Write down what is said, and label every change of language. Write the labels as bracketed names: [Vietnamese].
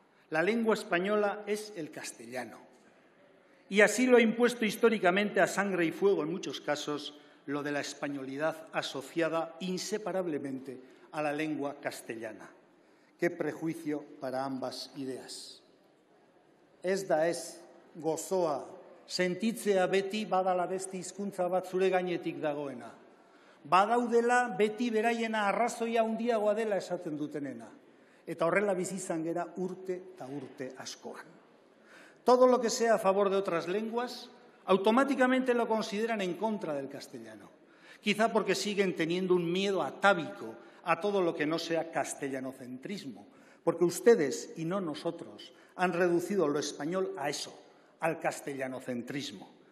[Spanish] La lengua española es el castellano. Y así lo ha impuesto históricamente a sangre y fuego en muchos casos lo de la españolidad asociada inseparablemente a la lengua castellana. ¡Qué prejuicio para ambas ideas! [Basque] Ez da ez, gozoa, sentitzea beti badala beste hizkuntza bat zure gainetik dagoena. Badaudela beti beraiena arrazoia handiagoa dela esaten dutenena. Eta horrela bizi izan gera urte eta urte askoan. [Spanish] Todo lo que sea a favor de otras lenguas, automáticamente lo consideran en contra del castellano. Quizá porque siguen teniendo un miedo atávico a todo lo que no sea castellanocentrismo. Porque ustedes, y no nosotros, han reducido lo español a eso, al castellanocentrismo.